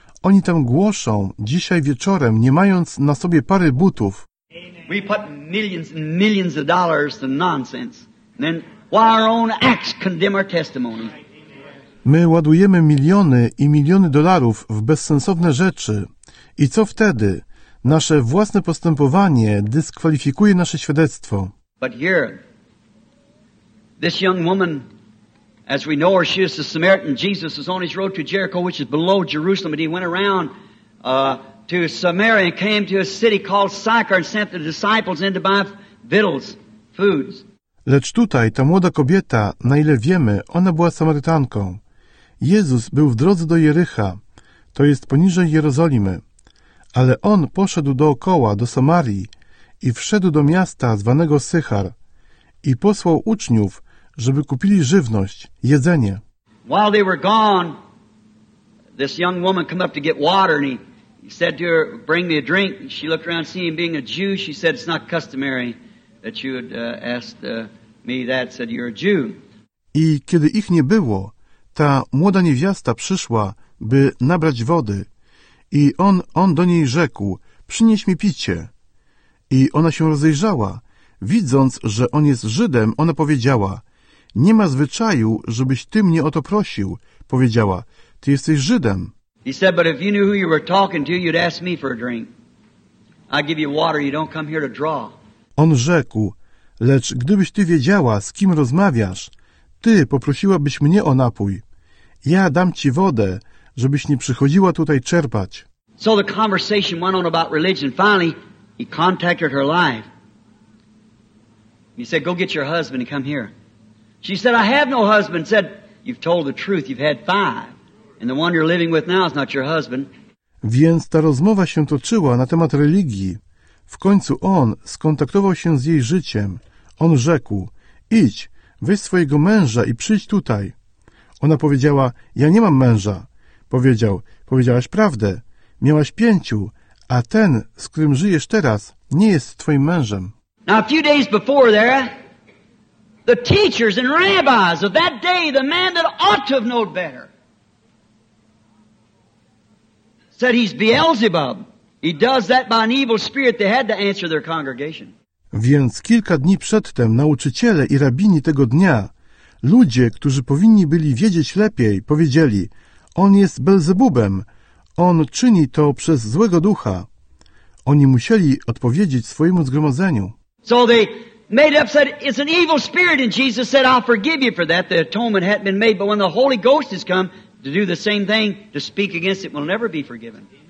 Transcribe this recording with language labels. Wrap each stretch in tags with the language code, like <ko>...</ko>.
<pl>Oni tam głoszą dzisiaj wieczorem, nie mając na sobie pary butów.</pl> <en>We put millions and millions of dollars to nonsense. And then why our own acts condemn our testimony?</en> <pl>My ładujemy miliony i miliony dolarów w bezsensowne rzeczy. I co wtedy? Nasze własne postępowanie dyskwalifikuje nasze świadectwo.</pl> <en>But here, this young woman, as we know her, she is a Samaritan. Jesus was on his road to Jericho, which is below Jerusalem, and he went around to Samaria and came to a city called Sychar and sent the disciples in to buy victuals, foods.</en> <pl>Lecz tutaj ta młoda kobieta, na ile wiemy, ona była Samarytanką. Jezus był w drodze do Jerycha, to jest poniżej Jerozolimy, ale on poszedł dookoła, do Samarii i wszedł do miasta zwanego Sychar i posłał uczniów, żeby kupili żywność, jedzenie.</pl> <en>While they were gone, this young woman came up to get water, and he said to her, bring me a drink. And she looked around, seeing him being a Jew, she said, it's not customary that you would ask me that, said, you're a Jew.</en> <pl>I kiedy ich nie było, ta młoda niewiasta przyszła, by nabrać wody. I on do niej rzekł, przynieś mi picie. I ona się rozejrzała. Widząc, że on jest Żydem, ona powiedziała, nie ma zwyczaju, żebyś ty mnie o to prosił, powiedziała. Ty jesteś Żydem.</pl> <en>He said, but if you knew who you were talking to, you'd ask me for a drink. I give you water, you don't come here to draw.</en> <pl>On rzekł, lecz gdybyś ty wiedziała, z kim rozmawiasz, ty poprosiłabyś mnie o napój. Ja dam ci wodę, żebyś nie przychodziła tutaj czerpać.</pl> <en>So the conversation went on about religion. Finally, he contacted her life. He said, go get your husband and come here. She said, I have no husband. Said, you've told the truth. You've had five. And the one you're living with now is not your husband.</en> <pl>Więc ta rozmowa się toczyła na temat religii. W końcu on skontaktował się z jej życiem. On rzekł, idź, weź swojego męża i przyjdź tutaj. Ona powiedziała, ja nie mam męża. Powiedział, powiedziałaś prawdę. Miałaś pięciu, a ten, z którym żyjesz teraz, nie jest twoim mężem.</pl> <en>Now a few days before there, the teachers and rabbis of that day, the man that ought to have known better, said he's Beelzebub. He does that by an evil spirit. They had to answer their congregation.</en> <pl>Więc kilka dni przedtem nauczyciele i rabini tego dnia, ludzie, którzy powinni byli wiedzieć lepiej, powiedzieli, on jest Belzebubem, on czyni to przez złego ducha. Oni musieli odpowiedzieć swojemu zgromadzeniu.</pl> <en>So they made up, said, it's an evil spirit, and Jesus said, I'll forgive you for that. The atonement hadn't been made, but when the Holy Ghost has come to do the same thing, to speak against it, will never be forgiven.</en>